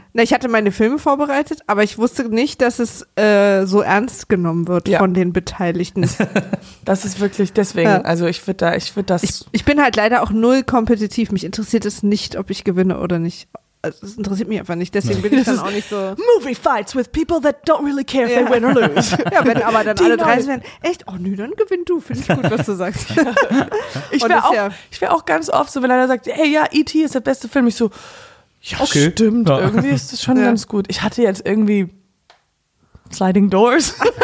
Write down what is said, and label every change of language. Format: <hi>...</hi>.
<de>Na, ich hatte meine Filme vorbereitet, aber ich wusste nicht, dass es so ernst genommen wird von den Beteiligten. Das ist wirklich deswegen, also ich würde das... Ich bin halt leider auch null kompetitiv, mich interessiert es nicht, ob ich gewinne oder nicht. Das interessiert mich einfach nicht, deswegen bin ich dann auch nicht so.</de> <en>Movie fights with people that don't really care if they win or lose.</en> <de>Ja, wenn aber dann die alle 30 werden, echt, oh nö, dann gewinn du, finde ich gut, was du sagst. Ich wäre auch ganz oft so, wenn einer sagt, hey, ja, E.T. ist der beste Film. Ich so, ja, stimmt, irgendwie ist das schon ganz gut. Ich hatte jetzt irgendwie Sliding Doors.</de>